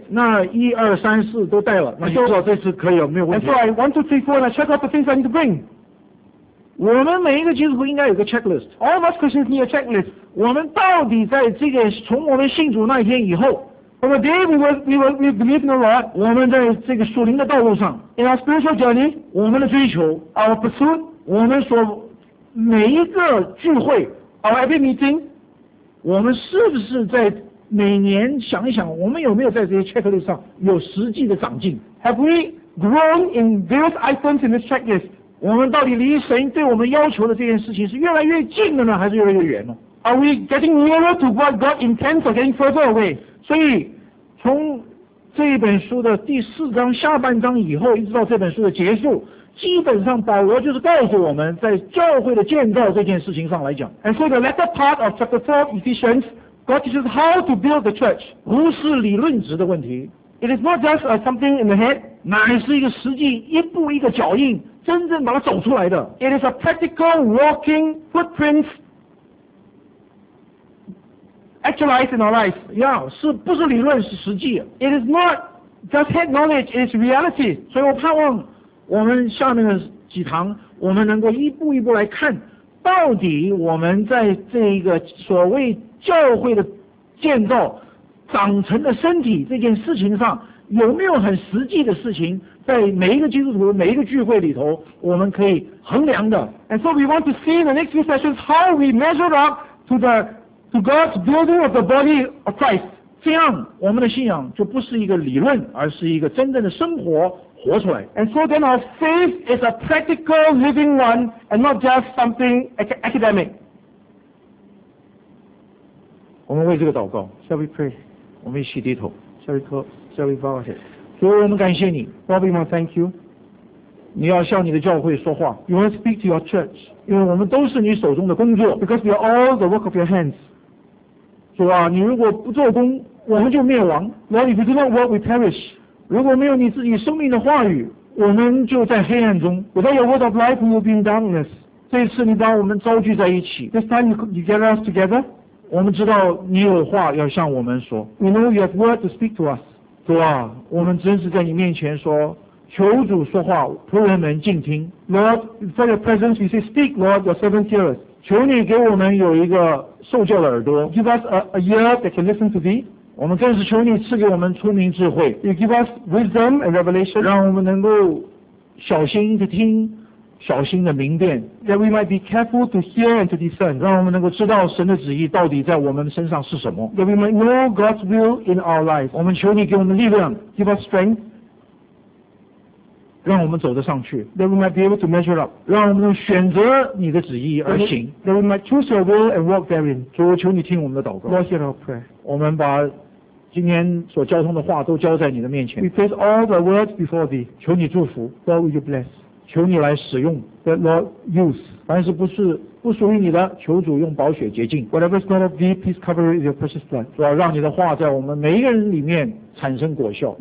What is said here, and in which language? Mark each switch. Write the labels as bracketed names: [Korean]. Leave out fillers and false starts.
[Chinese] 那一二三四都带了那就知道这次可以了没有问题 [English] And so I want to see for and I check out the things I need to bring [Chinese] 我们每一个基督徒应该有个 checklist. [English] All of us Christians need a checklist. [Chinese] 我们到底在这个从我们信主那一天以后 [English] ，From the day we believe in the Lord, [Chinese] 我们在这个属灵的道路上 [English] ，In our spiritual journey, [Chinese] 我们的追求 [English] ，Our pursuit, [Chinese] 我们所每一个聚会 [English] ，Our every meeting, [Chinese] 我们是不是在每年想一想，我们有没有在这些 checklist 上有实际的长进 [English] ？Have we grown in various items in this checklist? [Chinese] 我们到底离神对我们要求的这件事情是越来越近了呢，还是越来越远呢 [English] ？Are we getting nearer to what God intends, or getting further away? [Chinese] 所以，从这本书的第四章下半章以后，一直到这本书的结束，基本上保罗就是告诉我们在教会的建造这件事情上来讲。 [English] And so the latter part of chapter 4 of Ephesians, God teaches how to build the church. [Chinese] 不是理论值的问题。 [English] It is not just something in the head, [Chinese] 乃是一个实际一步一个脚印。真正把它走出来的 [English] It is a practical walking footprint actualized in our lives yeah, [Chinese] 是不是理论是实际 [English] It is not just head knowledge, it is reality [Chinese] 所以我盼望我们下面的几堂我们能够一步一步来看到底我们在这一个所谓教会的建造长成的身体这件事情上有没有很实际的事情在每一个基督徒每一个聚会里头我们可以衡量的 [English] And so we want to see in the next few sessions how we measure up to God's building of the body of Christ [Chinese] 这样我们的信仰就不是一个理论而是一个真正的生活活出来 [English] And so then our faith is a practical living one and not just something academic [Chinese] 我们为这个祷告 [English] Shall we pray [Chinese] 我们一起低头 [English] Shall we close Shall we bow our heads [Chinese] 所以我们感谢你 [English] Lord, we want to thank you [Chinese] 你要向你的教会说话 [English] You want to speak to your church [Chinese] 因为我们都是你手中的工作 [English] Because we are all the work of your hands [Chinese] 主啊你如果不做工我们就灭亡 [English] Lord, if you do not work, we perish [Chinese] 如果没有你自己生命的话语我们就在黑暗中 [English] Without your word of life, we will be in darkness [Chinese] 这次你把我们召聚在一起 [English] This time you gather us together [Chinese] 我们知道你有话要向我们说 [English] We know you have word to speak to us [Chinese] 主啊我们真是在你面前说求主说话仆人们静听 [English] Lord, for your presence we say speak Lord, your servant hear us [Chinese] 求你给我们有一个受教的耳朵 [English] Give us a ear that can listen to thee [Chinese] 我们更是求你赐给我们聪明智慧 [English] You give us wisdom and revelation [Chinese] 让我们能够小心的听小心的明辨 [English] That we might be careful to hear and to discern [Chinese] 让我们能够知道神的旨意到底在我们身上是什么 [English] That we might know God's will in our life [Chinese] 我们求你给我们力量 [English] Give us strength [Chinese] 让我们走得上去 [English] That we might be able to measure up [Chinese] 让我们能选择你的旨意而行 [English] That we might choose your will and walk therein [Chinese] 主我求你听我们的祷告 [English] Lord hear our prayer [Chinese] 我们把今天所交通的话都交在你的面前 [English] We place all the words before thee [Chinese] 求你祝福 [English] Lord will you bless [Chinese] 求你来使用 [English] Let Lord use [Chinese] 凡是不属于你的求主用宝血洁净 [English] Whatever is not of thee please cover it with your precious blood [Chinese] 主要让你的话在我们每一个人里面产生果效